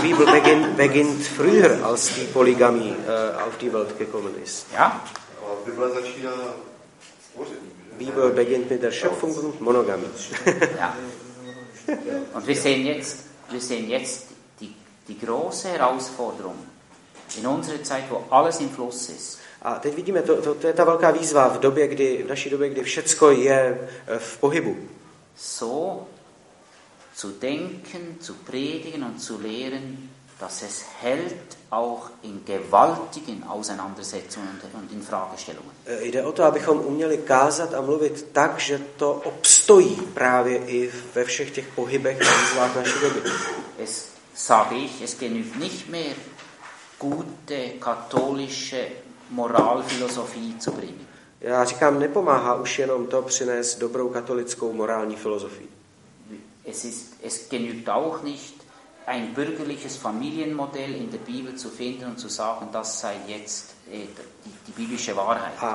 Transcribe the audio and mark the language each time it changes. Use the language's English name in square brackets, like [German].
[German] Die Bibel beginnt früher, als die Polygamie auf die Welt gekommen ist. Ja. Die Bibel beginnt mit der Schöpfung und Monogamie. Ja. Und wir sehen jetzt die große Herausforderung in unserer Zeit, wo alles im Fluss ist. [Czech] A teď vidíme, to je ta velká výzva v naší době, kdy všecko je v pohybu. [German] So zu denken, zu predigen und zu lehren, dass es hält auch in gewaltigen Auseinandersetzungen und in Fragestellungen. [Czech] Jde o to, abychom uměli kázat a mluvit tak, že to obstojí právě i ve všech těch pohybech a výzvách naší doby. [German] Es sage ich, es genügt nicht mehr gute katholische Moralphilosophie zu bringen. [Czech] Já říkám, nepomáhá už jenom to přinést dobrou katolickou morální filozofii. [German] Es genügt auch nicht, ein bürgerliches Familienmodell in der Bibel zu finden und zu sagen, das sei jetzt die biblische Wahrheit.